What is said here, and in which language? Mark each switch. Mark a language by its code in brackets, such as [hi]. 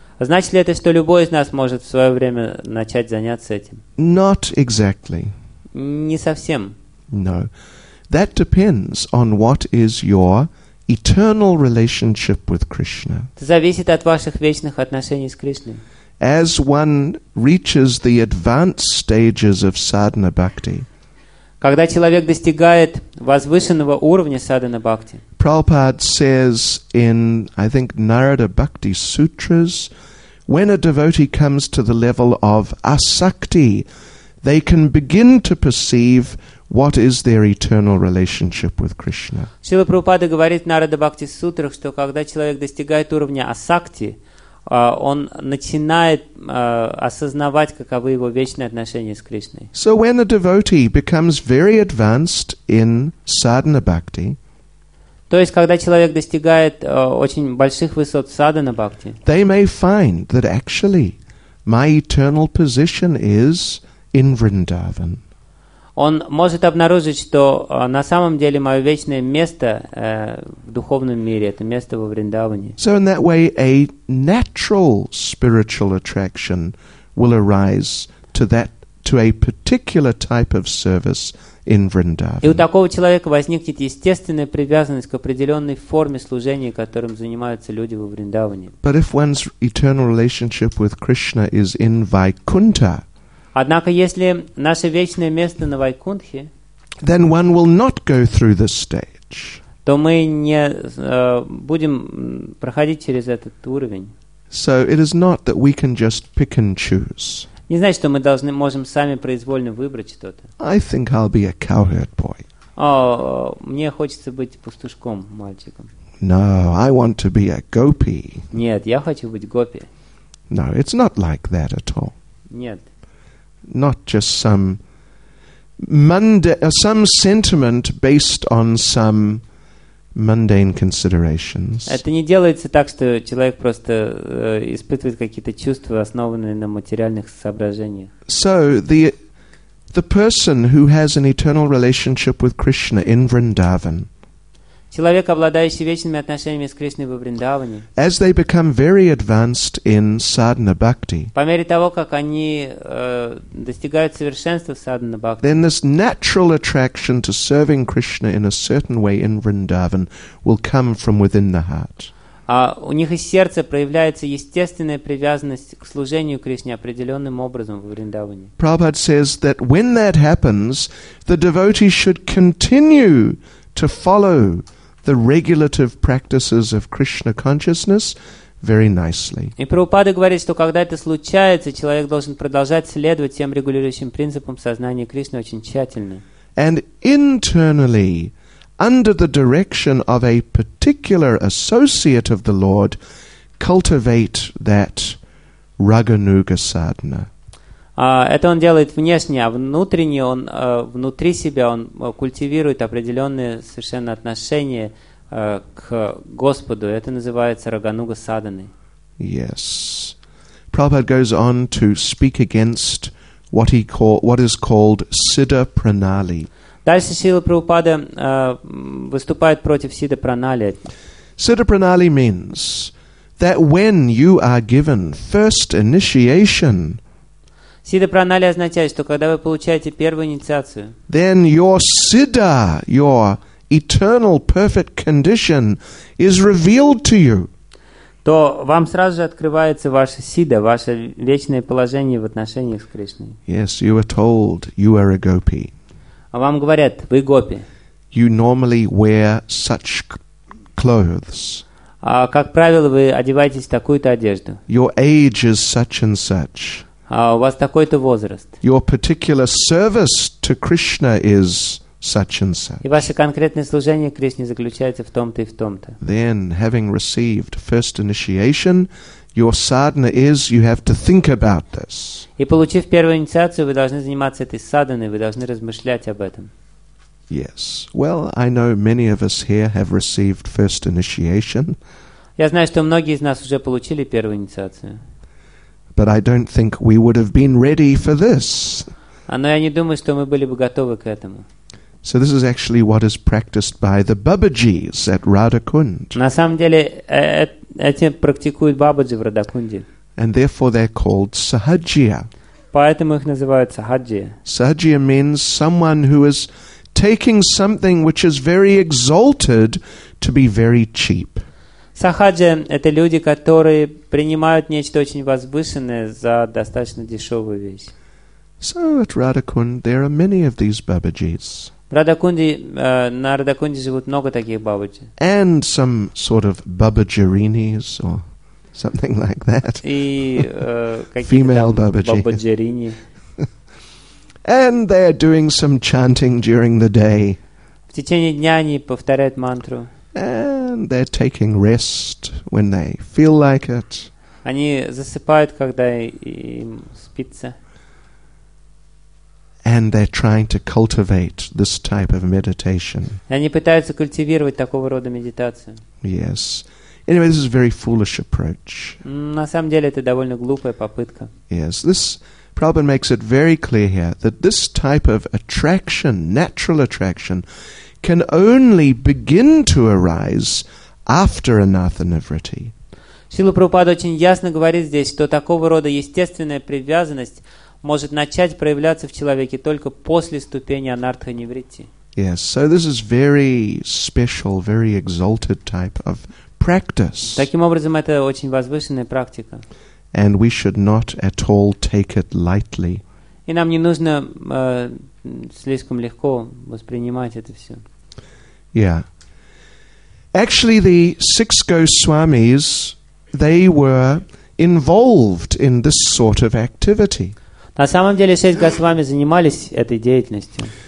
[ru] Значит ли это, что любой из нас может в свое время начать заняться этим? [en] Not exactly. [ru] Не совсем. [en] No. That depends on what is your eternal relationship with Krishna. [ru] Это зависит от ваших вечных отношений с Кришной. [en] As one reaches the advanced stages of sadhana bhakti, [ru] когда человек достигает возвышенного уровня sadhana bhakti, [en] Prabhupada says in, I think, Narada Bhakti Sutras, when a devotee comes to the level of asakti, they can begin to perceive what is their eternal relationship with Krishna. [ru] Шрила Прабхупада говорит в Narada Bhakti Sutras, что когда человек достигает уровня асакти, он начинает осознавать, каковы его вечные отношения с Кришной. [en] So when a devotee becomes very advanced in sadhana bhakti, [ru] то есть, когда человек достигает очень больших высот садхана бхакти, [en] they may find that actually my eternal position is in Vrindavan. [ru] он может обнаружить, что на самом деле мое вечное место в духовном мире — это место во Вриндаване. [en] So in that way, a natural spiritual attraction will arise to that, to a particular type of service in Vrindavan. [ru] И у такого человека возникнет естественная привязанность к определенной форме служения, которым занимаются люди во Вриндаване. [en] But if one's eternal relationship with Krishna is in Vaikuntha, [ru] однако если наше вечное место на Вайкунтхе, [en] then one will not go through this stage, [ru] то мы не будем проходить через этот уровень. [en] So it is not that we can just pick and choose. [ru] Не значит, что мы должны, можем сами произвольно выбрать что-то. [en] I think I'll be a cowherd boy. [ru] Мне хочется быть пастушком, мальчиком. [en] No, I want to be a gopi. [ru] Нет, я хочу быть гопи. [en] No, it's not like that at all. [ru] Нет. [en] Not just some sentiment based on some mundane considerations. [ru] Это не делается так, что человек просто испытывает какие-то чувства, основанные на материальных соображениях. [en] So the person who has an eternal relationship with Krishna in Vrindavan, [ru] человек, обладающий вечными отношениями с Кришной во Вриндаване, [en] as they become very advanced in sadhana bhakti, [ru] по мере того, как они достигают совершенства в sadhana bhakti, [en] then this natural attraction to serving Krishna in a certain way in Vrindavan will come from within the heart. [ru] А у них из сердца проявляется естественная привязанность к служению Кришне определенным образом во Вриндаване. [en] Prabhupada says that when that happens, the devotee should continue to follow the regulative practices of Krishna consciousness very nicely. [ru] И Прабхупада говорит, что когда это случается, человек должен продолжать следовать тем регулирующим принципам сознания Кришны очень тщательно. [en] And internally, under the direction of a particular associate of the Lord, cultivate that Raganuga sadhana. [ru] Это он делает внешне, а внутренне он внутри себя он культивирует определенные совершенно отношения к Господу. Это называется Рагануга Садханы. [en] Yes. Prabhupada goes on to speak against what is called Siddha Pranali. [ru] Дальше Шрила Прабхупада выступает против Siddha Pranali. [en] Siddha Pranali means that when you are given first initiation, [ru] Siddha Pranali означает, что когда вы получаете первую инициацию, [en] then your Siddha, your eternal perfect condition is revealed to you, [ru] то вам сразу же открывается ваша Siddha, ваше вечное положение в отношениях с Кришной. [en] Yes, you are told you are a gopi. [ru] А вам говорят, вы гопи. [en] You normally wear such clothes. [ru] А как правило, вы одеваетесь в такую-то одежду. [en] Your age is such and such. [ru] У вас такой-то возраст. [en] Your particular service to Krishna is such and such. [ru] И ваше конкретное служение Кришне заключается в том-то и в том-то. [en] Then, having received first initiation, your sadhana is you have to think about this. [ru] И получив первую инициацию, вы должны заниматься этой садханой, вы должны размышлять об этом. [en] Yes. Well, I know many of us here have received first initiation. [ru] Я знаю, что многие из нас уже получили первую инициацию. [en] But I don't think we would have been ready for this. [ru] Но я не думаю, что мы были бы готовы к этому. [en] So this is actually what is practiced by the Babaji's at Radhakund. [ru] На самом деле, эти практикуют Бабаджи в Радхакунде. [en] And therefore they're called Sahajiya. [ru] Поэтому их называют Sahajiya. [en] Sahajiya means someone who is taking something which is very exalted to be very cheap. [ru] Сахаджи – это люди, которые принимают нечто очень возвышенное за достаточно дешевую вещь. [en] So at Radhakund, there are many of these Babaji's. [ru] На Радхакунде живут много таких Бабаджи. [en] And some sort of Бабаджаринис or something like that. [ru] И какие-то Бабаджарини. [en] And they are doing some chanting during the day. [ru] В течение дня они повторяют мантру. [en] And they're taking rest when they feel like it. [ru] Они засыпают, когда им спится. [en] And they're trying to cultivate this type of meditation. [ru] Они пытаются культивировать такого рода медитацию. [en] Yes. Anyway, this is a very foolish approach. [ru] На самом деле, это довольно глупая попытка. [en] Yes. This Prabhupada makes it very clear here that this type of attraction, natural attraction, can only begin to arise after anatha nivritti. [ru] Srila Prabhupada очень ясно говорит здесь, что такого рода естественная привязанность может начать проявляться в человеке только после ступени анартха нивритти. [en] Yes, so this is very special, very exalted type of practice. [ru] Таким образом, это очень возвышенная практика. [en] And we should not at all take it lightly. [ru] И нам не нужно слишком легко воспринимать это все. [en] Yeah. Actually, the six Goswamis, they were involved in this sort of activity. [ru] На самом деле, шесть Госвами занимались этой деятельностью.